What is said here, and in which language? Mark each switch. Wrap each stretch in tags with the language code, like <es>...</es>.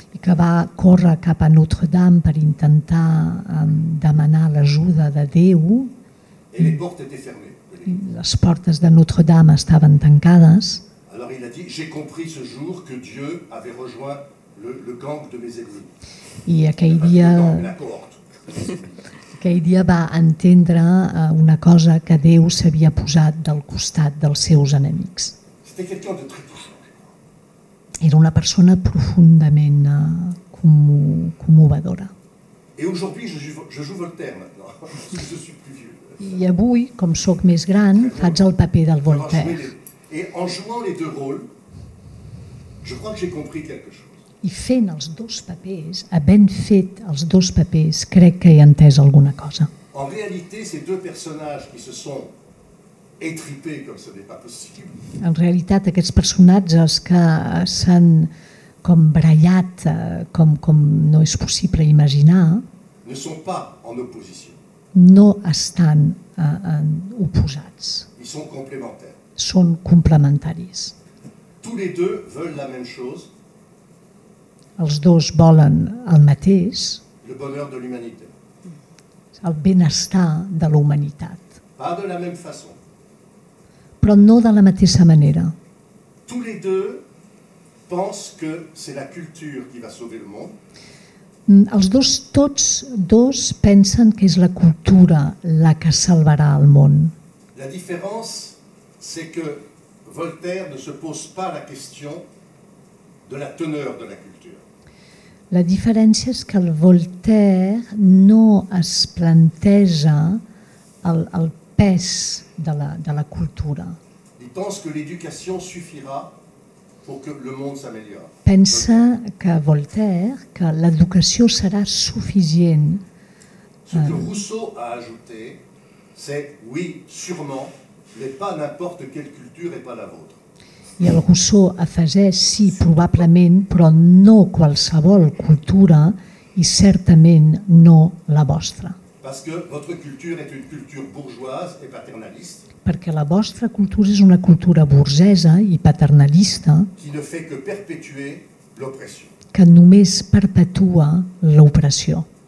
<ca>I que va córrer cap a Notre-Dame per intentar demanar l'ajuda de Déu.</ca> <fr>Et les portes étaient fermées.</fr> <ca>Les portes de Notre-Dame estaven tancades.</ca> <fr>Alors il a dit, j'ai compris ce jour que Dieu avait rejoint le gang de mes ennemis.</fr> <ca>I aquell dia va entendre una cosa, que Déu s'havia posat del costat dels seus enemics. Era una persona profundament commovedora.</ca> <fr>Et aujourd'hui je joue Voltaire maintenant. Je suis plus vieux.</fr> <ca>I avui, com sóc més gran, faig el paper del Voltaire.</ca> <fr>Et en jouant les deux rôles, je crois que j'ai compris quelque chose.</fr> <ca>I fent els dos papers, havent fet els dos papers, crec que he entès alguna cosa.</ca> <fr>En réalité, ces deux personnages qui se sont étripés comme ce n'est pas possible.</fr> <ca>En realitat, aquests personatges que s'han com brallat, com no és possible imaginar,</ca> <fr>ne sont pas en opposition.</fr> <ca>No estan oposats.</ca> <fr>Ils sont complémentaires.</fr> <ca>Són complementaris.</ca> <fr>Tous les deux veulent la même chose.</fr> <ca>Els dos volen el mateix.</ca> <fr>Le bonheur de l'humanité.</fr> <ca>El benestar de la humanitat.</ca> <fr>Pas de la même façon.</fr> <ca>Però no de la mateixa manera.</ca> <fr>Tous les deux pensent que c'est la culture qui va sauver le monde.</fr> <ca>Els dos, tots dos, pensen que és la cultura la que salvarà el món.</ca> <es>La diferencia es que Voltaire no se</es> <fr>pose pas</fr> <es>la cuestión de la</es> <fr>teneur</fr> <es>de la cultura.</es> <ca>La diferència és que el Voltaire no es planteja el pes de la cultura.</ca> <fr>Il pense que l'éducation suffira pour que le monde s'améliore.</fr> <ca>Pensa que Voltaire, que l'educació serà suficient.</ca> <fr>Ce que Rousseau a ajouté, c'est oui, sûrement, mais pas n'importe quelle culture et pas la vôtre.</fr> <ca>I el Rousseau afegeix, sí, probablement, però no qualsevol cultura i certament no la vostra.</ca> <fr>Parce que votre culture est une culture bourgeoise et paternaliste.</fr> <ca>Perquè la vostra cultura és una cultura burgesa i paternalista que només perpetua l'opressió.</ca>